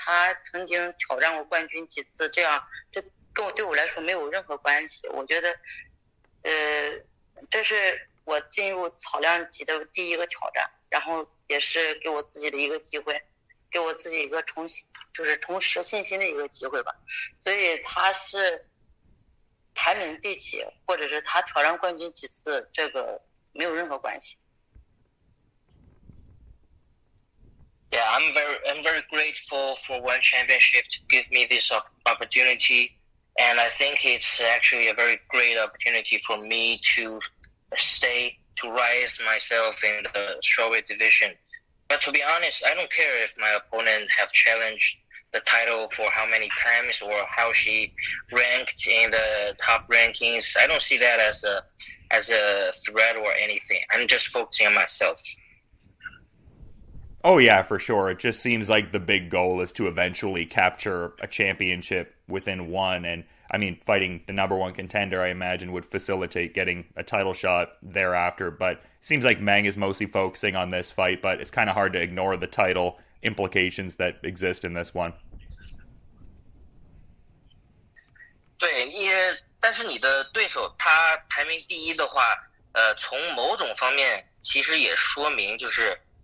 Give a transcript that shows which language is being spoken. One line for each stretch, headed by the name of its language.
Chinese: 就是级别的排名第一，你当时在接到这个对手的时候，知道能够在草量级的第一次尝试就面对这样排位的一个选手，你是什么样的心情？能不能描述一下当时的情况？我觉得万给我这个机会，其实我自己也很高兴。然后我觉得对于我打排名第几，或者是我的对手他曾经挑战过冠军几次，这样这。跟我对我来说没有任何关系，我觉得，这是我进入草量级的第一个挑战，然后也是给我自己的一个机会，给我自己一个重拾信心的一个机会吧。所以他是排名第几，或者是他挑战冠军几次，这个没有任何关系。
English: Yeah, I'm very grateful for ONE Championship to give me this opportunity. And I think it's actually a very great opportunity for me to stay, to rise myself in the strawweight division. But to be honest, I don't care if my opponent have challenged the title for how many times or how she ranked in the top rankings. I don't see that as a threat or anything. I'm just focusing on myself. Oh yeah, for sure. It just seems like the big goal is to eventually capture a championship within ONE. And I mean, fighting the number one contender, I imagine, would facilitate getting a title shot thereafter. But it seems like Meng is mostly focusing on this fight, but it's kind of hard to ignore the title implications that exist in this one.
Chinese: 对，但是你的对手他排名第一的话，从某种方面其实也说明就是。